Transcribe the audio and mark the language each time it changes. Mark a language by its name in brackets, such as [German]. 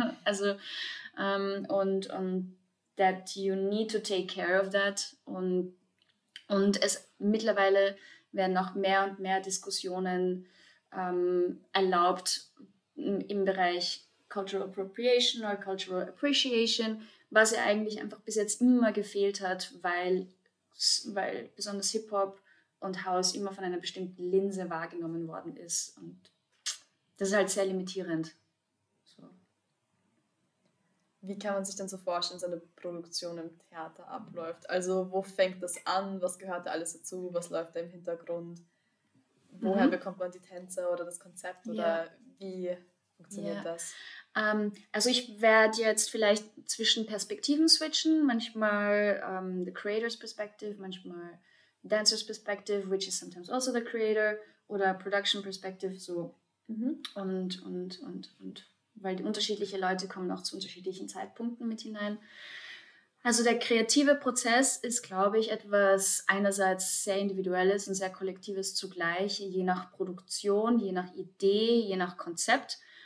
[German] Also und [English] that you need to take care of that. [German] Und es mittlerweile werden auch mehr und mehr Diskussionen erlaubt im Bereich Cultural Appropriation oder Cultural Appreciation, was ja eigentlich einfach bis jetzt immer gefehlt hat, weil besonders Hip-Hop und House immer von einer bestimmten Linse wahrgenommen worden ist. Und das ist halt sehr limitierend. So. Wie kann man sich denn so vorstellen, dass eine Produktion im Theater abläuft? Also wo fängt das an? Was gehört da alles dazu? Was läuft da im Hintergrund? Woher bekommt man die Tänze oder das Konzept? Oder wie funktioniert das? Also ich werde jetzt vielleicht zwischen Perspektiven switchen. Manchmal [English] the creator's perspective, [German] manchmal [English] dancer's perspective, which is sometimes also the creator, [German] oder [English] production perspective, so. [German] Und weil die unterschiedliche Leute kommen auch zu unterschiedlichen Zeitpunkten mit hinein. Also der kreative Prozess ist, glaube ich, etwas einerseits sehr Individuelles und sehr Kollektives zugleich, je nach Produktion, je nach Idee, je nach Konzept.